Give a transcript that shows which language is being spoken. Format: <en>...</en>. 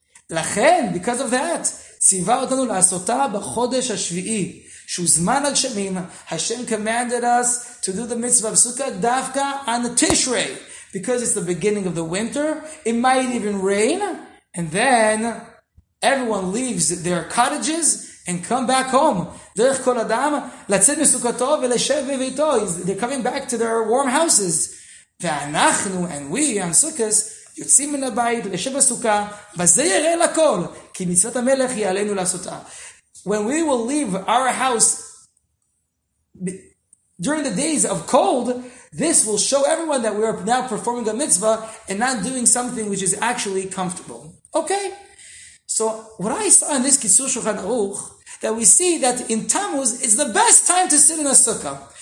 <en>Lachen, because of that,</en> <he>ציווה אותנו לעשותה בחודש השביעי, שהוא זמן הגשמים,</he> <en>Hashem commanded us to do the mitzvah of Sukkah דווקא on Tishrei, because it's the beginning of the winter, it might even rain, and then everyone leaves their cottages and come back home.</en> <he>דרך כל אדם, לצאת מסוכתו ולשב בביתו,</he> <en>they're coming back to their warm houses.</en> <he>ואנחנו,</he> <en>and we, on Sukkot,</en> <he>יוצאים מן הבית, לשב בסוכה, וזה יראה לכל, כי מצוות המלך היא עלינו לעשותה.</he> <en>When we will leave our house during the days of cold, this will show everyone that we are now performing a mitzvah and not doing something which is actually comfortable. Okay? So what I saw in this Kitzur Shulchan Aruch, that we see that in Tammuz, it's the best time to sit in a sukkah.</en>